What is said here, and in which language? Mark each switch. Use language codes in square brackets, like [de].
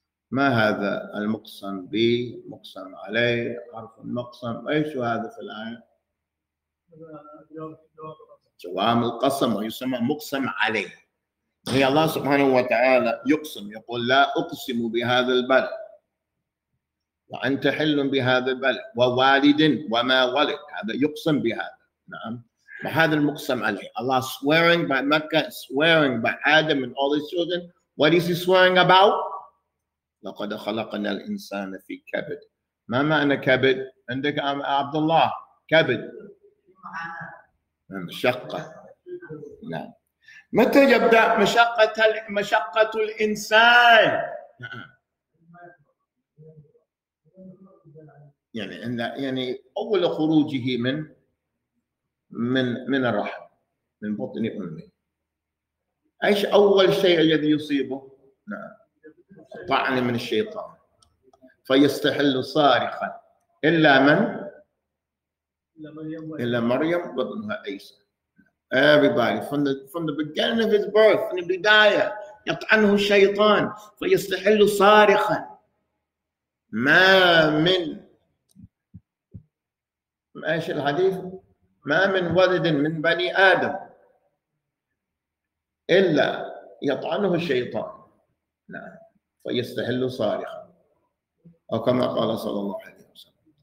[ar] ما هذا المقسم به مقسم عليه حرف المقسم إيش هذا في الآية؟ جوام القسم ويسمى مقسم عليه هي الله سبحانه وتعالى يقسم، يقول لا أقسم بهذا البلد وأنت حل بهذا البلد ووالد وما ولد، هذا يقسم بهذا. نعم، بهذا المقسم عليه. [en] الله swearing by Mecca, swearing by Adam and all his children. What is he swearing about? [ar] لقد خلقنا الإنسان في كبد. ما معنى كبد عندك عبد الله؟ كبد مشقة. نعم، متى يبدأ مشقة الإنسان؟ يعني عند يعني أول خروجه من الرحم، من بطن أمه. إيش أول شيء الذي يصيبه؟ نعم، طعن من الشيطان، فيستحل صارخا إلا من؟ إلا مريم وابنها عيسى. [en] Everybody from the beginning of his birth, from the [ar] بداية يطعنه الشيطان فيستحل صارخا. ما من ماشي الحديث، ما من ولد من بني آدم إلا يطعنه الشيطان فيستحل صارخا، أو كما قال صلى الله عليه وسلم.